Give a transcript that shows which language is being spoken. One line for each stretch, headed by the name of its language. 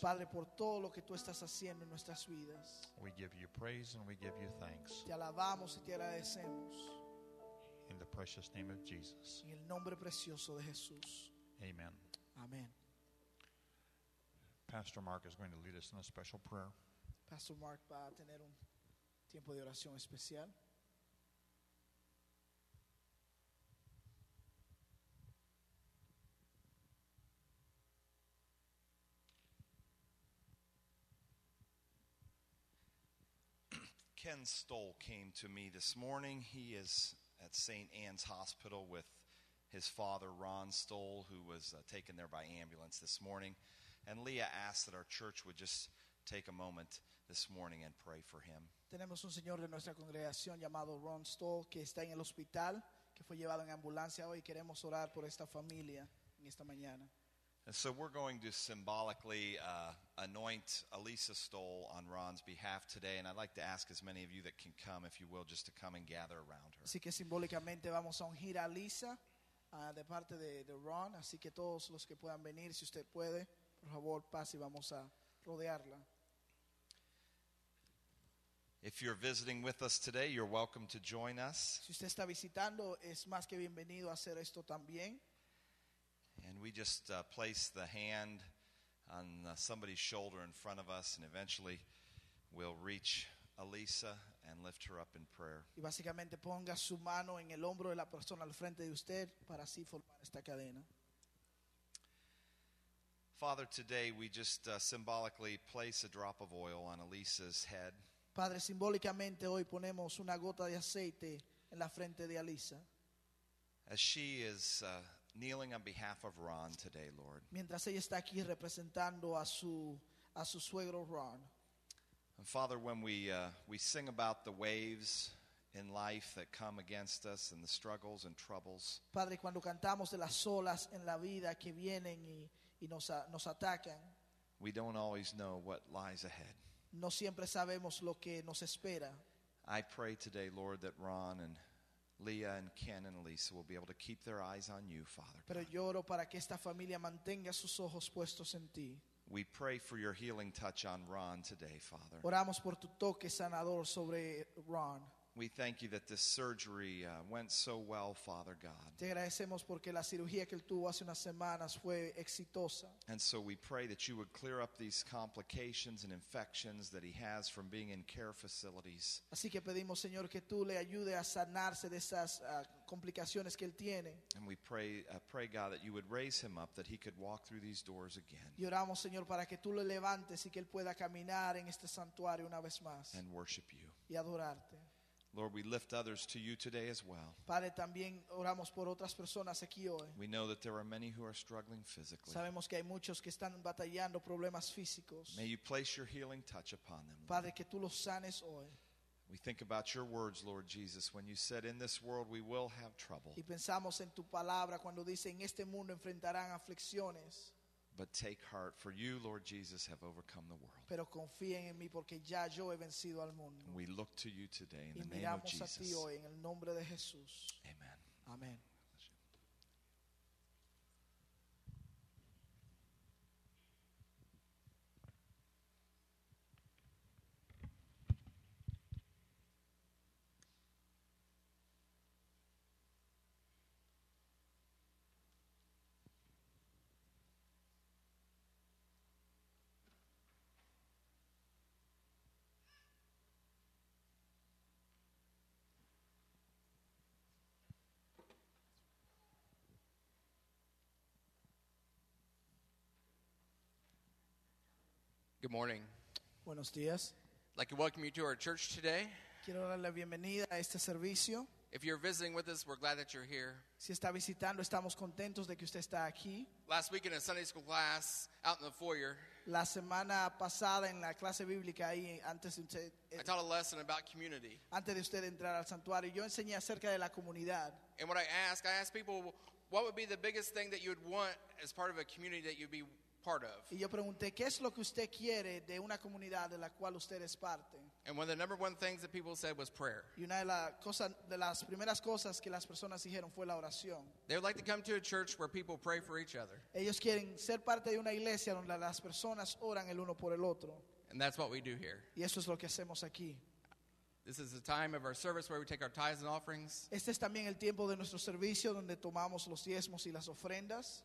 Spanish: Padre, por todo lo que tú estás haciendo en nuestras vidas,
English: we give you praise and we give you thanks.
Spanish: Te alabamos y te agradecemos.
English: In the precious name of Jesus.
Spanish: En el nombre precioso de Jesús.
English: Amen.
Spanish: Amen.
English: Pastor Mark is going to lead us in a special prayer.
Spanish: Pastor Mark va a tener un tiempo de oración especial.
English: Ken Stoll came to me this morning. He is at St. Anne's Hospital with his father, Ron Stoll, who was taken there by ambulance this morning. And Leah asked that our church would just take a moment this morning and pray for him.
Spanish: Tenemos un señor de nuestra congregación llamado Ron Stoll que está en el hospital, que fue llevado en ambulancia hoy. Queremos orar por esta familia en esta mañana.
English: And so we're going to symbolically anoint Elisa Stoll on Ron's behalf today, and I'd like to ask as many of you that can come, if you will, just to come and gather around her.
Spanish: Así que simbólicamente vamos a ungir a Elisa de parte de Ron, así que todos los que puedan venir, si usted puede, por favor, pase y vamos a rodearla.
English: If you're visiting with us today, you're welcome to join us.
Spanish: Si usted está visitando, es más que bienvenido a hacer esto también.
English: And we just place the hand on somebody's shoulder in front of us, and eventually we'll reach Elisa and lift her up in prayer.
Spanish: Y básicamente ponga su mano en el hombro de la persona al frente de usted para así formar esta cadena.
English: Father, today we just symbolically place a drop of oil on Elisa's head.
Spanish: Padre, simbólicamente hoy ponemos una gota de aceite en la frente de Elisa.
English: As she is kneeling on behalf of Ron today, Lord.
Spanish: Mientras ella está aquí representando a su suegro Ron.
English: And Father, when we sing about the waves in life that come against us and the struggles and troubles.
Spanish: Padre, cuando cantamos de las olas en la vida que vienen y nos atacan.
English: We don't always know what lies ahead.
Spanish: No siempre sabemos lo que nos espera.
English: I pray today, Lord, that Ron and Leah and Ken and Lisa will be able to keep their eyes on you, Father.
Spanish: Pero
English: God.
Spanish: Lloro para que esta familia mantenga sus ojos puestos en ti.
English: We pray for your healing touch on Ron today, Father.
Spanish: Oramos por tu toque sanador sobre Ron.
English: We thank you that this surgery went so well, Father God.
Spanish: Te agradecemos porque la cirugía que él tuvo hace unas semanas fue exitosa.
English: And so we pray that you would clear up these complications and infections that he has from being in care facilities.
Spanish: Así que pedimos, Señor, que tú le ayude a sanarse de esas complicaciones que él tiene.
English: And we pray God that you would raise him up that he could walk through these doors again.
Spanish: Y oramos, Señor, para que tú lo levantes y que él pueda caminar en este santuario una vez más.
English: And worship you.
Spanish: Y adorarte.
English: Lord, we lift others to you today as well.
Spanish: Padre, también oramos por otras personas aquí hoy.
English: We know that there are many who are struggling physically.
Spanish: Sabemos que hay muchos que están batallando problemas físicos.
English: May you place your healing touch upon them.
Spanish: Padre, Lord, que tú los sanes hoy.
English: We think about your words, Lord Jesus, when you said, "In this world we will have trouble."
Spanish: Y pensamos en tu palabra cuando dice, "En este mundo enfrentarán aflicciones."
English: But take heart, for you, Lord Jesus, have overcome the world.
Spanish: Pero confíen en mí porque ya yo he vencido al mundo.
English: We look to you today in
Spanish: y
English: the name of Jesus.
Spanish: A ti hoy en el nombre de Jesús.
English: Amen.
Spanish: Amen.
English: Good morning.
Spanish: Buenos días.
English: I'd like to welcome you to our church today.
Spanish: Quiero dar la bienvenida a este servicio.
English: If you're visiting with us, we're glad that you're here.
Spanish: Si está visitando, estamos contentos de que usted está aquí.
English: Last week in a Sunday school class out in the foyer.
Spanish: La semana pasada en la clase bíblica ahí antes de usted.
English: I taught a lesson about community.
Spanish: Antes de usted entrar al santuario, yo enseñé acerca de la comunidad.
English: And what I asked people, what would be the biggest thing that you would want as part of a community that you'd be part of.
Spanish: Y yo pregunté, ¿qué es lo que usted quiere de una comunidad de la cual usted es parte?
English: And one of the number one things that people said was prayer.
Spanish: Y una de las primeras cosas que las personas dijeron fue la oración.
English: They would like to come to a church where people pray for each other.
Spanish: Ellos quieren ser parte de una iglesia donde las personas oran el uno por el otro.
English: And that's what we do here.
Spanish: Y eso es lo que hacemos aquí.
English: This is the time of our service where we take our tithes and offerings.
Spanish: Este es también el tiempo de nuestro servicio donde tomamos los diezmos y las ofrendas.